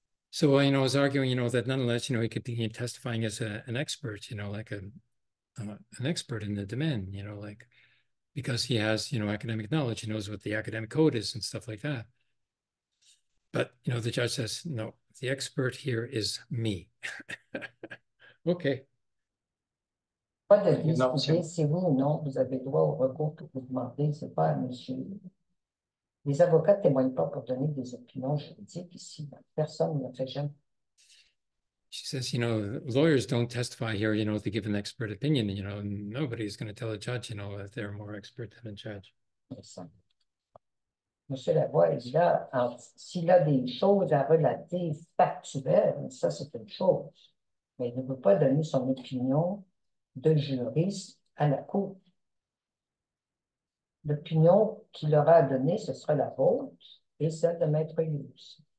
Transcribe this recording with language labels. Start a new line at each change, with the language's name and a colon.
English: So, you know, I was arguing, you know, that nonetheless, you know, he could be testifying as an expert, you know, like an expert in the domain, you know, like, because he has, you know, academic knowledge, he knows what the academic code is and stuff like that. But, you know, the judge says, no, the expert here is me. Okay.
French: Pas de discuter si oui ou non, vous avez droit au recours que vous demandez, c'est pas à monsieur. Les avocats ne témoignent pas pour donner des opinions juridiques ici. Personne ne le fait jamais.
English: She says, you know, lawyers don't testify here, you know, to give an expert opinion. You know, nobody is going to tell a judge, you know, that they're more expert than a judge.
French: Monsieur Lavoie, s'il a des choses à relater factuelles, ça c'est une chose, mais il ne peut pas donner son opinion de juriste à la Cour. L'opinion qu'il aura à donner, ce sera la vôtre et celle de Maître Hughes.